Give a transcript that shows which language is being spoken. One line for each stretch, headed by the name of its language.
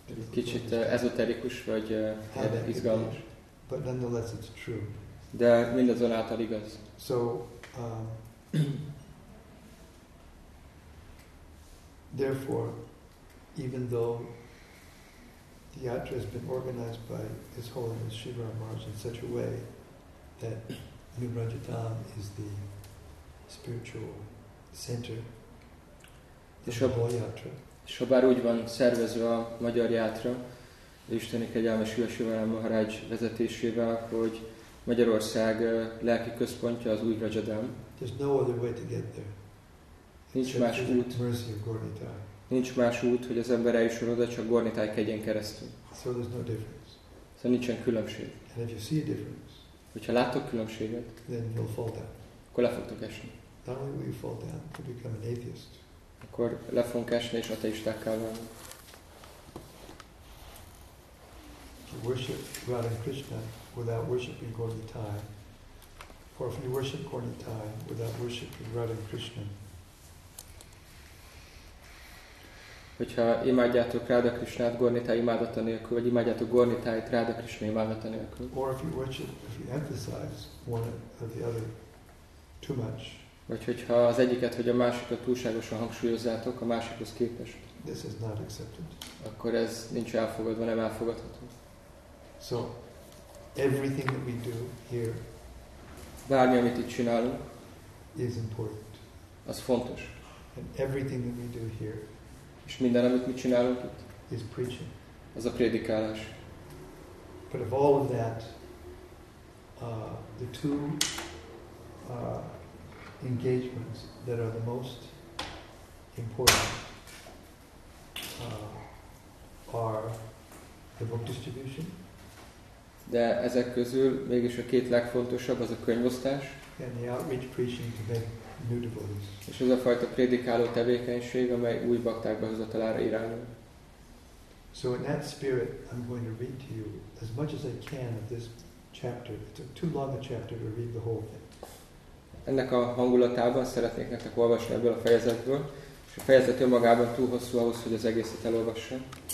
Hungarian: Kicsit ezoterikus vagy izgalmas.
English: But nonetheless it's true.
Hungarian: De mindazonáltal igaz.
English: So therefore even though the yatra has been organized by His Holiness Shivaram Maharaj in such a way that New Rajadham is the spiritual center of the whole yatra.
Hungarian: És ha bár úgy van szervezve a magyar yatra, Isteni kegyelmes Shivaram Maharaj vezetésével, hogy Magyarország lelki központja az új Rajadham.
English: There's no other way to get there.
Hungarian: Nincs más út.
English: Mercy of Gornitai.
Hungarian: Nincs más út, hogy az ember eljusson oda, csak Gornitai kegyen keresztül.
English: So there's no difference.
Hungarian: Szóval nincsen különbség.
English: And if you see a difference,
Hungarian: hogyha látok különbséget,
English: then you'll fall down.
Hungarian: Akkor le fogtok esni.
English: Not only will you fall down, you'll become an atheist.
Hungarian: Akkor le fogunk esni, és ateistákká válni.
English: You worship Radha Krishna without worshiping Gornitai. Or if you worship Gornitai without worshiping Radha Krishna,
Hungarian: hogyha imádjátok Radha Krishnát Gornitai imádata nélkül, vagy imádjátok Gornitáit Radha Krishna imádata nélkül.
English: Or if you worship, if you emphasize one or the other too much.
Hungarian: Vagy hogyha az egyiket vagy a másikat túlságosan hangsúlyozzátok a másikhoz képest.
English: This is not accepted.
Hungarian: Akkor ez nincs elfogadva, nem elfogadható.
English: So everything that we do here.
Hungarian: Bármi, amit itt csinálunk,
English: is important.
Hungarian: Az fontos.
English: And everything that we do here.
Hungarian: És minden, amit mi csinálunk itt,
English: is preaching.
Hungarian: Az a prédikálás.
English: But of all of that, the two engagements that are the most important are the book distribution.
Hungarian: De ezek közül mégis a két legfontosabb az a könyvosztás.
English: And the outreach preaching to make new devotees.
Hungarian: És ez a fajta prédikáló tevékenység, amely új bakták behozatalára irányul.
English: So in that spirit, I'm going to read to you as much as I can of this chapter. It's too long a chapter to read the whole thing.
Hungarian: ennek a hangulatában szeretnék nektek olvasni ebből a fejezetből, és a fejezet önmagában túl hosszú ahhoz, hogy az egészet elolvassam.